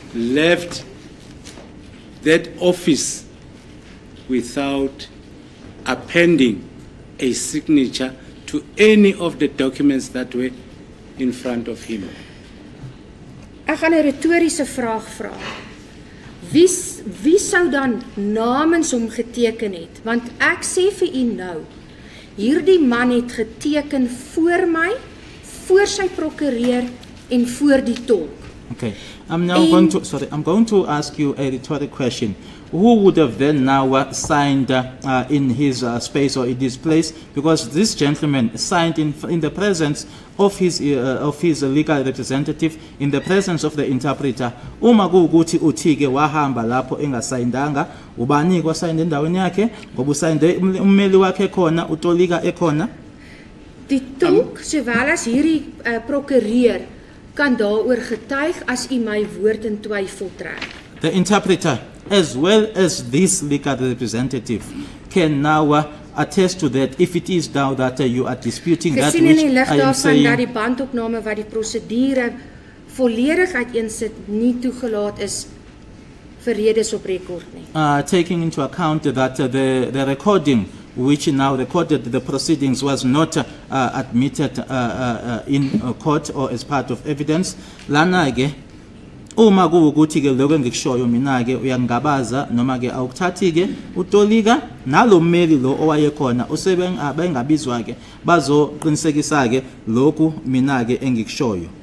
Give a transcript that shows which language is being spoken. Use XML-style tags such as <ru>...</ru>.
<en>left that office without appending a signature to any of the documents that were in front of him.</en> <af>Ek gaan 'n retoriese vraag vra. Wie sou dan namens hom geteken het? Want ek sê vir u nou, hierdie man het geteken voor my, voor sy prokureur en voor die tolk.</af> <en>Okay. I'm going to ask you a rhetorical question. Who would have then now signed in his space or in this place? Because this gentleman signed in the presence of his legal representative, in the presence of the interpreter.</en> <zu>Uma kuwukuthi uthike wahamba lapho engasayindanga, ubani kwasayinda endaweni yakhe, ngoba usayinde ummeli wakhe khona, utolika ekhona.</zu> <af>Die tolk, sowel as hierdie prokureur, kan daaroor getuig as u my woord in twyfel trek.</af> <en>The interpreter, as well as this legal representative, can now attest to that if it is now that you are disputing</en> <af>gesien</af> <en>that which I am saying.</en> <af>Gesien in die lig daarvan dat die bandopname wat die prosedure volledig uiteensit nie toegelaat is vir redes op rekord nie.</af> <en>Taking into account that the recording which now recorded the proceedings was not admitted in court or as part of evidence.</en> <zu>Lana ke uma kuwukuthi ke lokho engikushoyo mina ke uyangabaza noma ke awukuthathi ke utolika nalomeli lo owaye khona usebenza bengabizwa ke bazoqinisekisa ke lokho mina ke engikushoyo.</zu>